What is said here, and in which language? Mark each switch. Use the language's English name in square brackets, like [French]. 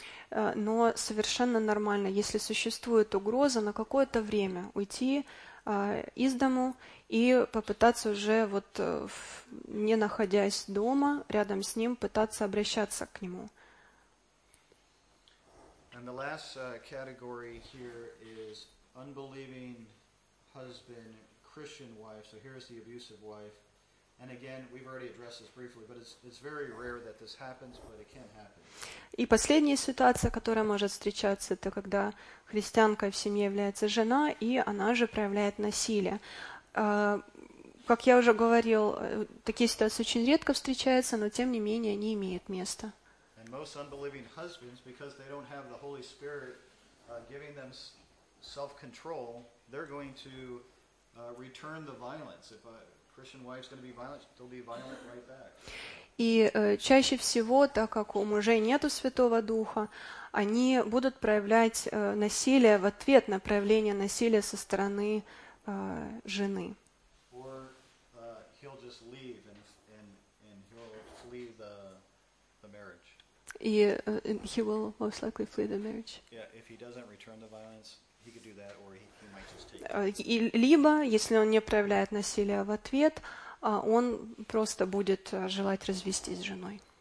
[Russian] Но совершенно нормально, если существует угроза, на какое-то время уйти из дому и попытаться уже, вот, не находясь дома, рядом с ним, пытаться обращаться к нему. [English] And the last category here is unbelieving husband, Christian wife. So here's the abusive wife. And again, we've already addressed this briefly, but it's very rare that this happens, but it can happen. [Russian] И последняя ситуация, которая может встречаться, это когда христианкой в семье является жена, и она же проявляет насилие. Как я уже говорил, такие ситуации очень редко встречаются, но тем не менее они имеют место. [English] Most unbelieving husbands, because they don't have the Holy Spirit giving them self-control, they're going to return the violence. If a Christian wife is going to be violent, they'll be violent right back. [Russian] И чаще всего, так как у мужей нету Святого Духа, они будут проявлять насилие в ответ на проявление насилия со стороны жены. [English] Or he'll just leave and he'll flee the И he will most likely flee the marriage. Yeah, if he doesn't return the violence, he could do that, or he might just take it. [Russian] Либо, если он не проявляет насилия в ответ, он просто будет желать развестись с женой.